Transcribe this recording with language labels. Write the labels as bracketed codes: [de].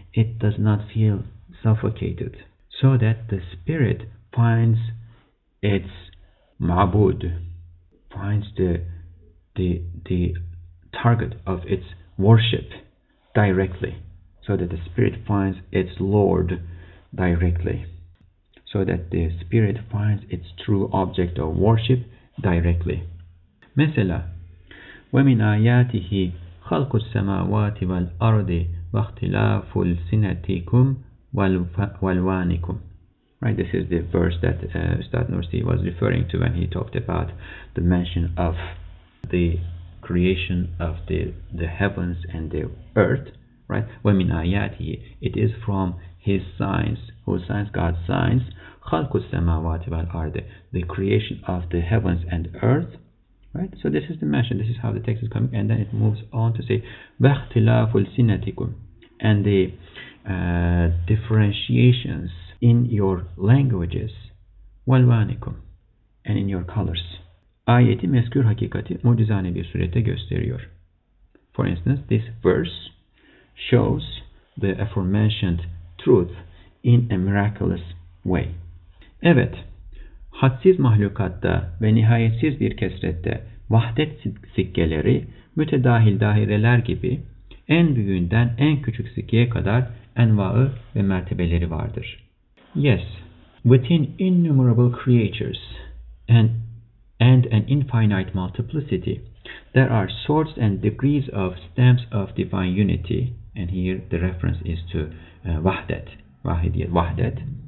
[en] It does not feel suffocated, so that the spirit finds its ma'bud, finds the target of its worship directly, so that the spirit finds its Lord directly, so that the spirit finds its true object of worship directly. [tr] Mesela, [ar] وَمِنْ آيَاتِهِ خَلْقُ السَّمَاوَاتِ وَالْأَرْضِ وَاخْتِلَافُ السِّنَتِكُمْ وَالْوَانِكُمْ. [en] Right, this is the verse that Ustad Nursi was referring to when he talked about the mention of the creation of the heavens and the earth. Right, [ar] وَمِنْ آيَاتِهِ, [en] it is from his signs, whose signs? God's signs. [ar] خَلْقُ السَّمَاوَاتِ وَالْأَرْضِ, [en] the creation of the heavens and earth. Right? So this is the mention, this is how the text is coming, and then it moves on to say [ar] وَاخْتِلَافُ السِّنَتِكُمْ, [en] and the differentiations in your languages, [ar] وَالْوَانِكُمْ, [en] and in your colors. [tr] Ayeti mezkür hakikati mucizane bir surette gösteriyor. [en] For instance, this verse shows the aforementioned truth in a miraculous way. [tr] Evet, hadsiz mahlukatta ve nihayetsiz bir kesrette vahdet sikkeleri, mütedahil daireler gibi en büyüğünden en küçük sikkeye kadar enva'ı ve mertebeleri vardır. [en] Yes, within innumerable creatures and an infinite multiplicity, there are sorts and degrees of stamps of divine unity. And here the reference is to vahdet, vahidiyet, vahdet.